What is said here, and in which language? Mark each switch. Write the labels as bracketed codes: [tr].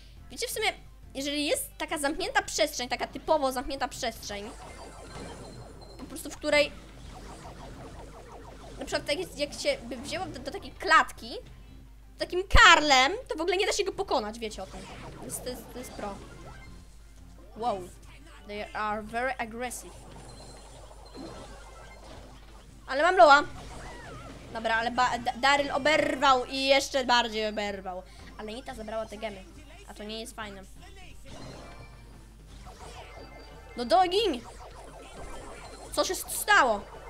[pl] Wiecie, w sumie, jeżeli jest taka zamknięta przestrzeń, taka typowo zamknięta przestrzeń, po prostu w której... Na przykład tak jest, jak się by wzięło do takiej klatki takim Karlem, to w ogóle nie da się go pokonać, wiecie o tym. To jest pro. Wow. [en] They are very aggressive. [pl] Ale mam lowa. Dobra, ale Daryl oberwał i jeszcze bardziej oberwał. Ale Nita zabrała te gemy. A to nie jest fajne. No dogiń! Co się stało?